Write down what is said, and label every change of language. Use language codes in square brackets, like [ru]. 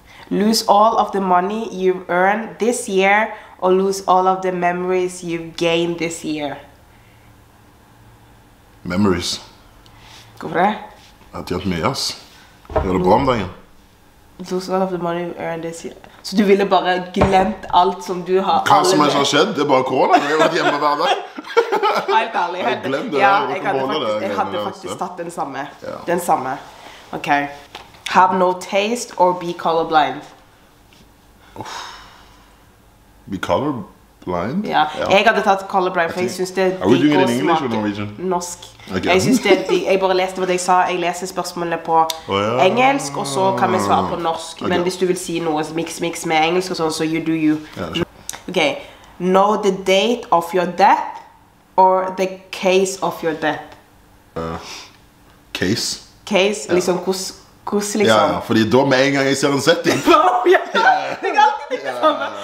[en] Lose all of the money you've earned this year or lose all of the memories you've gained this year? Memories. [no] Hvorfor det? Jeg har tjent mye, ass. Jeg gjør det bra om dagen. [en] Lose all of the money you've earned this year. [no] Så du ville bare glemt alt som du har... Hva som helst har skjedd? Det er bare korona. Jeg har vært hjemme hver dag. Helt ærlig. Jeg glemte det. Ja, jeg hadde faktisk tatt den samme. Ja. Den samme. [en] Ok. Have no taste or be colorblind? Be colorblind? [no] Ja. Jeg hadde tatt colorblind, for jeg synes det... [en] Are we doing it in English or Norwegian? [no] Norsk. Jeg synes det... Jeg bare leste hva jeg sa. Jeg leser spørsmålene på engelsk, og så kan vi svare på norsk. Men hvis du vil si noe mix med engelsk og sånn, så [en] you do you. [no] Ok. [en] Know the date of your death or the case of your death? Case. Case, [no] liksom hvordan liksom? Ja, fordi da med en gang jeg ser en setting. Ja, det er alltid det samme.